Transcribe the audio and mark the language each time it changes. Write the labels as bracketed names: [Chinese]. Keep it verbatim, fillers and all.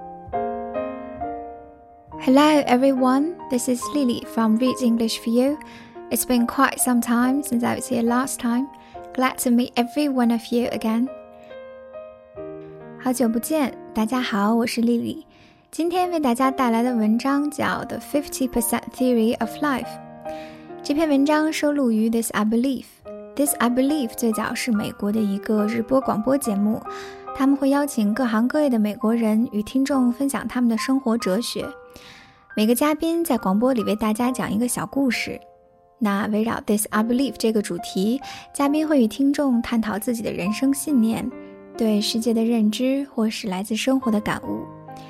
[English] Hello everyone, this is Lily from Read English for You. It's been quite some time since I was here last time. Glad to meet every one of you again. [Chinese] 好久不见，大家好，我是 Lily。今天为大家带来的文章叫 The fifty percent Theory of Life。这篇文章收录于 This I Believe。This I Believe 最早是美国的一个日播广播节目，他们会邀请各行各业的美国人与听众分享他们的生活哲学。每个嘉宾在广播里为大家讲一个小故事。那围绕 This I Believe 这个主题，嘉宾会与听众探讨自己的人生信念，对世界的认知，或是来自生活的感悟。